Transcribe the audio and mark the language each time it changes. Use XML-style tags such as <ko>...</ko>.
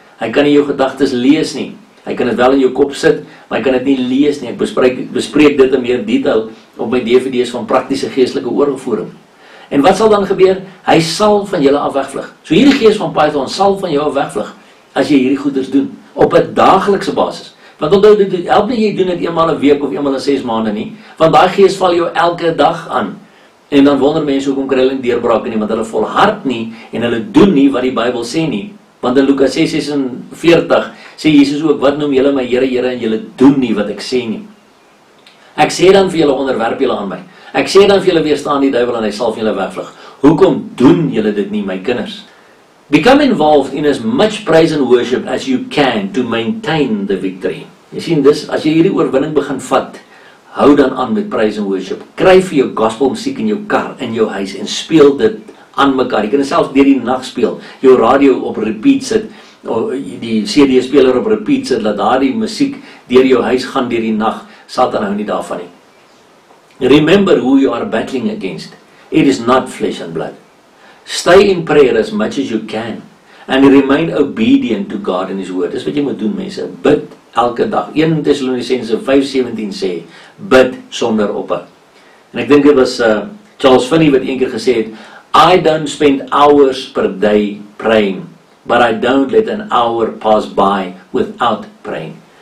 <af>Hy kan nie jou gedagtes lees nie. Hy kan het wel in jou kop sit, maar hy kan het nie lees nie. Ek bespreek dit in meer detail op my DVD's van praktiese geestelike oorlogvoering. En wat sal dan gebeur? Hy sal van julle af wegvlug. So hierdie geest van Python sal van jou af wegvlug, as jy hierdie goeders doen, op 'n dagelikse basis. Want onthou, dit help nie jy doen dit eenmaal een week of eenmaal een 6 maande nie, want daai geest val jou elke dag aan. En dan wonder mense hoekom kry hulle nie deurbraak nie, want hulle volhard nie, en hulle doen nie wat die Bybel sê nie. Want in Lukas 6:46 sê Jesus ook, wat noem julle my Here, Here, en julle doen nie wat ek sê nie. Ek sê dan vir julle, onderwerp julle aan my. Ek sê dan vir julle, weerstaan die duivel en hy sal vir julle wegvlug. Hoekom doen julle dit nie, my kinders?</af> <en>Become involved in as much praise and worship as you can to maintain the victory.</en> <af>Jy sien dis, as jy hierdie oorwinning begin vat, hou dan aan met</af> <en>praise and worship.</en> <af>Kry vir jou gospel muziek in jou kar, in jou huis, en speel dit aan mekaar. Jy kan dit selfs deur die nag speel. Jou radio op repeat sit, of die CD-speler op repeat sit, laat daar die muziek deur jou huis gaan deur die nag. Satan hou nie daarvan nie.</af> <en>Remember who you are battling against. It is not flesh and blood. Stay in prayer as much as you can. And remain obedient to God in His word.</en> <af>Dis wat jy moet doen, mense. Bid elke dag. 1 Thessalonians 5:17 sê, bid sonder ophou. En ek dink dit was Charles Finney wat een keer gesê het,</af> <en>I don't spend hours per day praying, but I don't let an hour pass by without praying.</en>